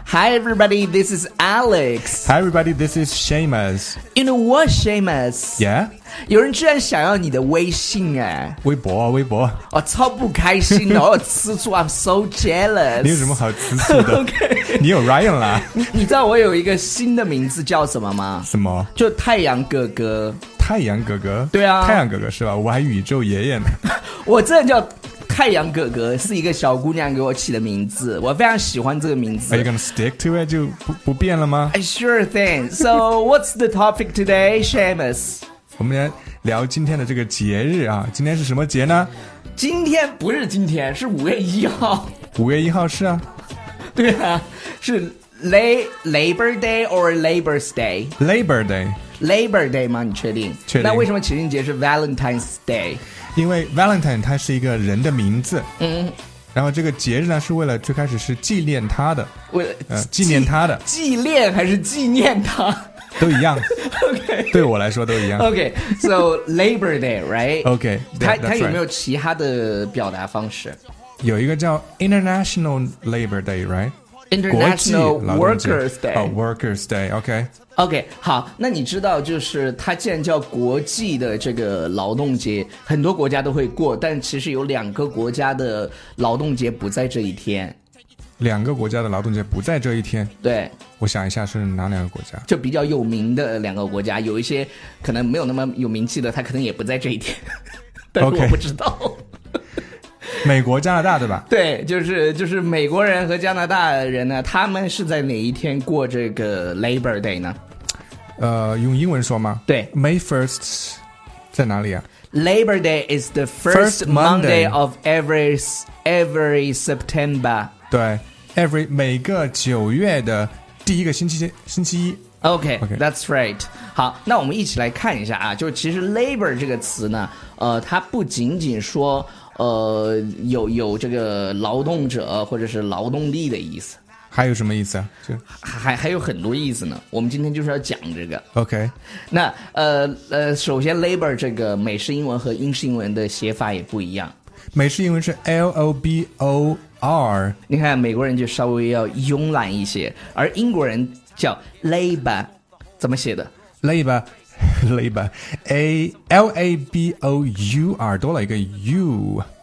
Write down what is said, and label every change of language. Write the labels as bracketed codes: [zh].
[en] Hi everybody, this is Alex. Hi everybody, this is Seamus. You know what, Seamus? Yeah? [zh] 有人居然想要你的微信哎。微博啊，微博。哦，超不开心的，我吃醋， [en] I'm so jealous. [zh] 你有什么好吃醋的？OK，你有 Ryan 啦。你知道我有一个新的名字叫什么吗？什么？就太阳哥哥。太阳哥哥？对啊。太阳哥哥是吧？我还宇宙爷爷呢。我真的叫太阳哥哥，是一个小姑娘给我起的名字，我非常喜欢这个名字。 [en] Are you gonna stick to it? [zh] 就 不变了吗 [en] ？Sure thing. So what's the topic today, Seamus? [zh] 我们来聊今天的这个节日啊，今天是什么节呢？今天不是今天，是五月一号。五月一号是啊。对啊，是Labor Day or Labor Day? [en] Labor Day. [zh] Labor Day 吗？你确定？确定。那为什么情人节是 Valentine's Day? 因为 Valentine 它是一个人的名字，嗯，然后这个节日呢是为了最开始是纪念他的，为了纪念他的，纪念还是纪念他，都一样。 OK，对我来说都一样。 [en] OK，So、okay, Labor Day， right？ OK， [zh] 它有没有其他的表达方式？有一个叫 [en] International Labor Day， right？ International Workers Day. Oh, Workers Day, OK. [zh] OK, 好，那你知道就是它既然叫国际的这个劳动节，很多国家都会过，但其实有两个国家的劳动节不在这一天。两个国家的劳动节不在这一天？对。我想一下是哪两个国家？就比较有名的两个国家，有一些可能没有那么有名气的，它可能也不在这一天，但是我不知道。 Okay. 美国加拿大对吧？对，就是美国人和加拿大人呢，他们是在哪一天过这个 Labor Day 呢？用英文说吗？对， May 1st 在哪里啊？ [en] Labor Day is the first Monday of every September。 [zh] 对， every 每个九月的第一个星期一。 [en] Okay, that's right。 [zh] 好，那我们一起来看一下啊，就其实 Labor 这个词呢，它不仅仅说有这个劳动者或者是劳动力的意思，还有什么意思啊？还有很多意思呢。我们今天就是要讲这个。 OK，那首先 labor 这个美式英文和英式英文的写法也不一样。美式英文是 labor，你看美国人就稍微要慵懒一些，而英国人叫 labor， 怎么写的 [en] ？labor。 Labor, A L A B O U R, 多了一个 U.